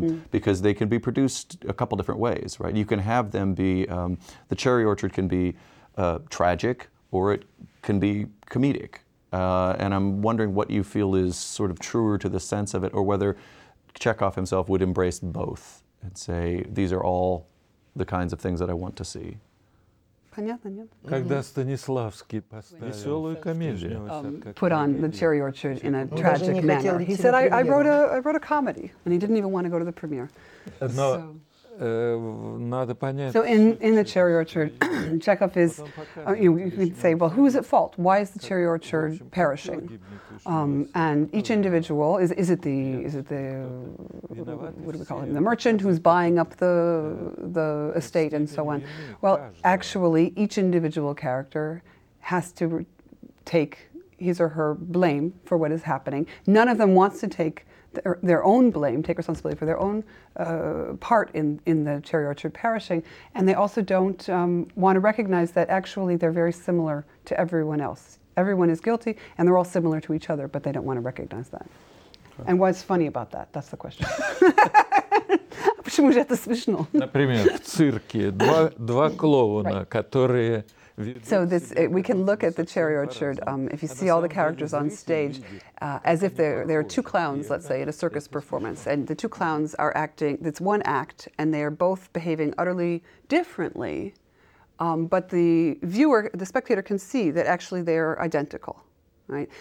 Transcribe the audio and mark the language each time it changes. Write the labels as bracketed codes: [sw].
[en] Because they can be produced a couple different ways, right? You can have them be, the cherry orchard can be tragic or it can be comedic. And I'm wondering what you feel is sort of truer to the sense of it or whether Chekhov himself would embrace both. And say these are all the kinds of things that I want to see. [ru] Когда Станиславский поставил веселую комедию, [en] put on the Cherry Orchard in a tragic manner. He said, "I wrote a comedy," and he didn't even want to go to the premiere. [ru] Но надо понять. [en] So in the Cherry Orchard, Chekhov is, you could say, well, who is at fault? Why is the Cherry Orchard perishing? And each individual is it the what do we call it, the merchant who's buying up the estate and so on? Well, actually, each individual character has to take his or her blame for what is happening. None of them wants to take their own blame, take responsibility for their own part in the Cherry Orchard perishing, and they also don't want to recognize that actually they're very similar to everyone else. Everyone is guilty, and they're all similar to each other, but they don't want to recognize that. Okay. And what's funny about that? That's the question. [ru] Почему же это смешно? Например, в цирке два клоуна, которые... [en] So this, we can look at the Cherry Orchard, if you see all the characters on stage, as if there are two clowns, let's say, in a circus performance, and the two clowns are acting, it's one act, and they are both behaving utterly differently, but the spectator can see that actually they're identical. right?